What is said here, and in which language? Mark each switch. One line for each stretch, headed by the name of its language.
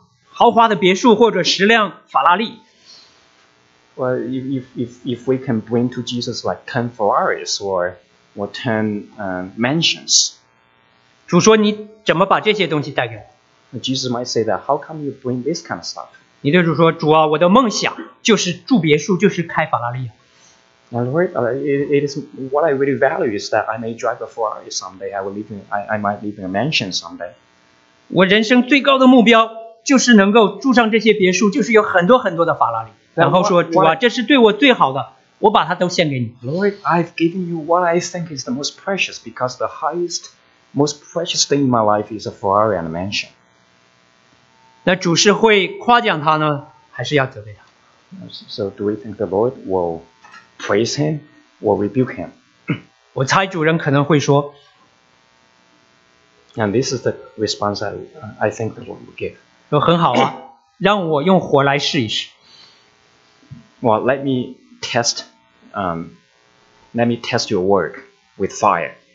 Chinese: 而是我们带来了10幢豪华的别墅或者10辆法拉利。
English: Well, if we can bring to Jesus like 10 Ferraris or 10 mansions.
Chinese: 主说你怎么把这些东西带给我?
English: Jesus might say that, how come you bring this kind of stuff?
Chinese: 你对主说, 主啊, 我的梦想就是住别墅, 就是开法拉利。
English: Now, Lord, it is what I really value is that I may drive a Ferrari someday. I might live in a mansion someday.
Chinese: 我人生最高的目标就是能够住上这些别墅，就是有很多很多的法拉利。然后说，主啊，这是对我最好的。
English: Lord, I've given you what I think is the most precious because the highest, most precious thing in my life is a Ferrari and a mansion.
Chinese: 那主是会夸奖他呢，还是要责备他？
English: So do we think the Lord will praise him or rebuke him?
Chinese: 我猜主人可能会说,
English: and this is the response I think the Lord will give.
Chinese: 说很好啊, 让我用火来试一试。
English: Well, let me test your work with fire.